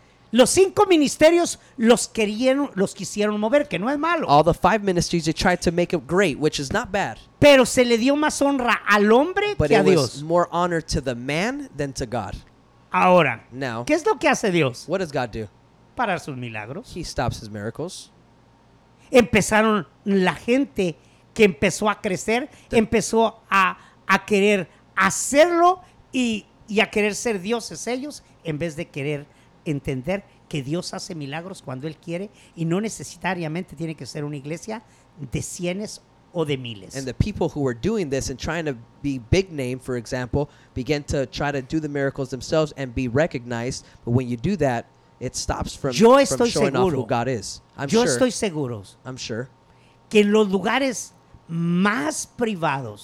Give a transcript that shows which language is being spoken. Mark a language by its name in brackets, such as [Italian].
[Spanish] Los cinco ministerios los quisieron mover, que no es malo. [English] All the five ministries they tried to make it great, which is not bad. [Spanish] Pero se le dio más honra al hombre [English] but [Spanish] que a Dios. [English] But it was more honor to the man than to God. [Spanish] Ahora, [English] now, [Spanish] ¿qué es lo que hace Dios? [English] What does God do? [Spanish] Parar sus milagros. [English] He stops his miracles. [Spanish] Empezaron la gente que empezó a crecer, empezó a querer hacerlo y a querer ser dioses ellos, en vez de querer entender que Dios hace milagros cuando Él quiere y no necesariamente tiene que ser una iglesia de cientos o de miles. [English] And the people who were doing this and trying to be big name, for example, began to try to do the miracles themselves and be recognized. But when you do that, it stops from showing [Spanish] seguro. [English] Off who God is. I'm [Spanish] yo [English] sure. [Spanish] Estoy seguro. [English] I'm sure. [Spanish] Que en los lugares más privados,